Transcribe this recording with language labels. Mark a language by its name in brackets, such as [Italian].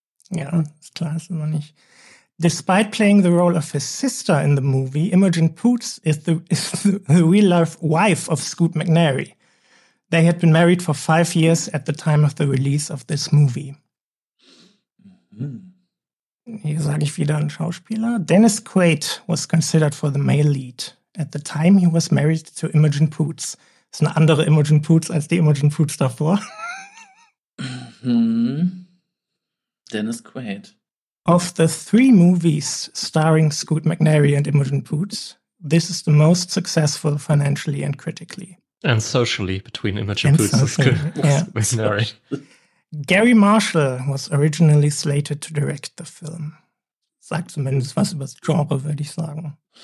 [German] Ja, ist klar, ist immer nicht. [English] Despite playing the role of his sister in the movie, Imogen Poots is the real-life wife of Scoot McNairy. They had been married for 5 years at the time of the release of this movie. [German] Hier sage ich wieder einen Schauspieler. [English] Dennis Quaid was considered for the male lead. At the time he was married to Imogen Poots. [German] Das ist eine andere Imogen Poots als die Imogen Poots davor. Dennis Quaid. [English] Of the 3 movies starring Scoot McNairy and Imogen Poots, this is the most successful financially and critically. And socially between Imogen and Poots socially. And Scoot McNairy. Gary Marshall was originally slated to direct the film. [German] Sagt zumindest was über das Genre, würde ich sagen.